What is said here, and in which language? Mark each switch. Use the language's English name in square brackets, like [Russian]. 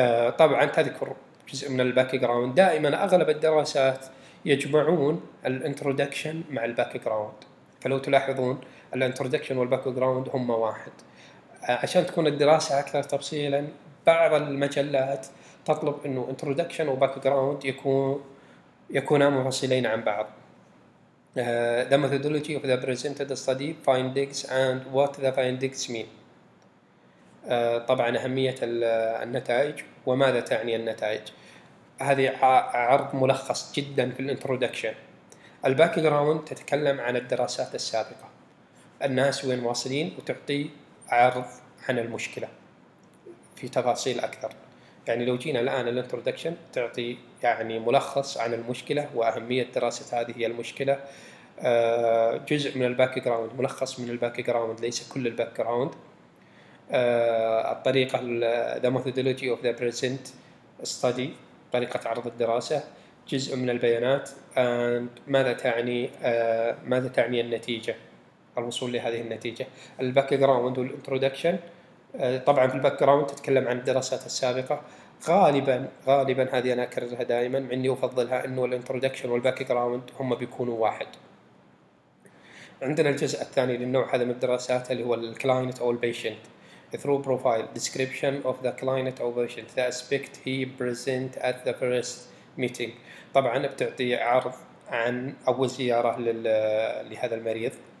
[Arabic] طبعا تذكر جزء من الباك جراوند، دائما اغلب الدراسات يجمعون الانترودكشن مع الباك جراوند. فلو تلاحظون الانترودكشن والباك جراوند هما واحد. عشان تكون الدراسة أكثر تفصيلا، بعض المجلات تطلب إنه انترودكشن وباك جراوند يكونا منفصلين عن بعض. [English] The methodology of the presented study findings and what the findings mean. [Arabic] طبعا أهمية النتائج وماذا تعني النتائج. هذه عرض ملخص جدا في الانترودكشن. الباك جراوند تتكلم عن الدراسات السابقة، الناس وين واصلين، وتعطي عرض عن المشكلة في تفاصيل أكثر. يعني لو جينا الآن الانترودكشن تعطي يعني ملخص عن المشكلة وأهمية دراسة هذه المشكلة، جزء من الباك جراوند، ملخص من الباك جراوند ليس كل الباك جراوند. الطريقة [English] the methodology of the present study، [Arabic] طريقة عرض الدراسة، جزء من البيانات، and ماذا تعني ماذا تعني النتيجة، الوصول لهذه النتيجة. الباك جراوند والانترودكشن، طبعا في الباك جراوند تتكلم عن الدراسات السابقة غالبا غالبا، هذه انا اكررها دائما، مع اني افضلها انه الانترودكشن والباك جراوند هم بيكونوا واحد. عندنا الجزء الثاني للنوع هذا من الدراسات اللي هو الكلاينت او البيشنت. [English] through profile description of the client or patient the aspect he present at the first meeting. [Arabic] طبعا بتعطي عرض عن اول زياره لهذا المريض.